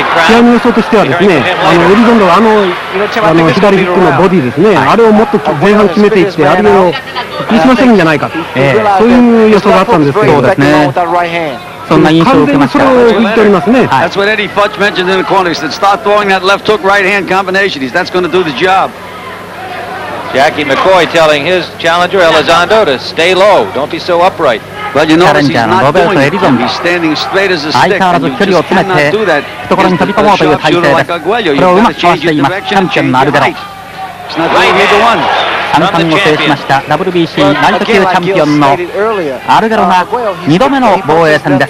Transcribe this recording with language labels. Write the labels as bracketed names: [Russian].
[Japanese] 試合の予想としてはですね、あのエリゾンドがあの左フックのボディですね、はい、あれをもっと前半決めていって、アルゲロを気にしませんじゃないかと、そういう予想があったんですけど、そうですね、そんな印象を受けました。完全にそれを言っておりますね。 [English] That's what Eddie Fudge mentioned in the corner. He said, start throwing that left hook right hand combination. That's going to do the job. Jackie McCoy telling his challenger, Elizondo, to stay low. Don't be so upright. Well, you notice he's not going to be standing straight as a stick. And you just cannot do that. [Japanese] ところに飛び込もうという体勢です。これをうまく壊しています。チャンピオンのアルゲロ。 3冠を制しました WBC ライト級チャンピオンのアルゲロが2度目の防衛戦です。